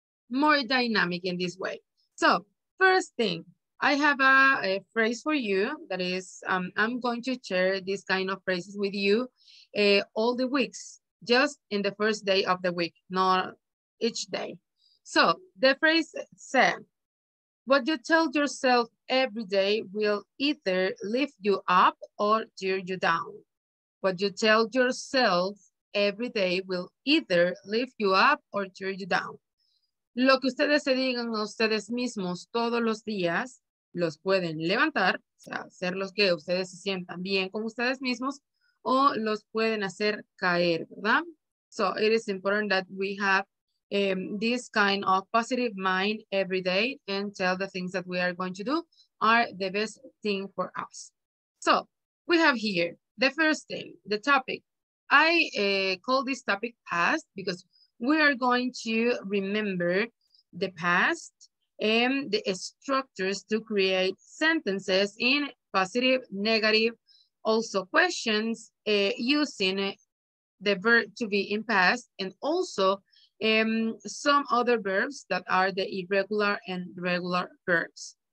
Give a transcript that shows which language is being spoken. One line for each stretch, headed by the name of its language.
English: more dynamic in this way. So first thing, I have a phrase for you that is, I'm going to share these kind of phrases with you all the weeks, just in the first day of the week, not each day. So the phrase said, what you tell yourself every day will either lift you up or tear you down. What you tell yourself every day will either lift you up or tear you down.
Spanish: Lo que ustedes se digan a ustedes mismos todos los días los pueden levantar, o sea, ser los que ustedes se sientan bien con ustedes mismos, o los pueden hacer caer, ¿verdad?
English: So it is important that we have this kind of positive mind every day and tell the things that we are going to do are the best thing for us. So we have here the first thing, the topic. I call this topic past because we are going to remember the past and the structures to create sentences in positive, negative, also questions using the verb to be in past, and also some other verbs that are the irregular and regular verbs.